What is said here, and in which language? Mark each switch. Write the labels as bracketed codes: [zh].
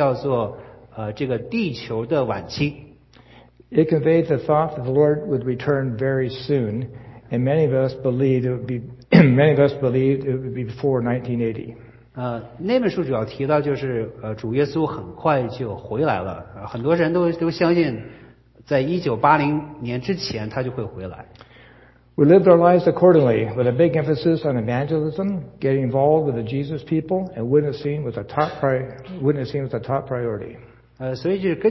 [zh] 你们大概可能会记得1970年代有一本非常出名的书叫做这个地球的晚期。 [en] It conveyed the thought that the Lord would return very soon, and many of us believed it would be before 1980. [zh] 那本书主要提到就是主耶稣很快就回来了，很多人都相信。在1980年之前，他就会回来。 [en] We lived our lives accordingly, with a big emphasis on evangelism, getting involved with the Jesus people, and witnessing was a top priority.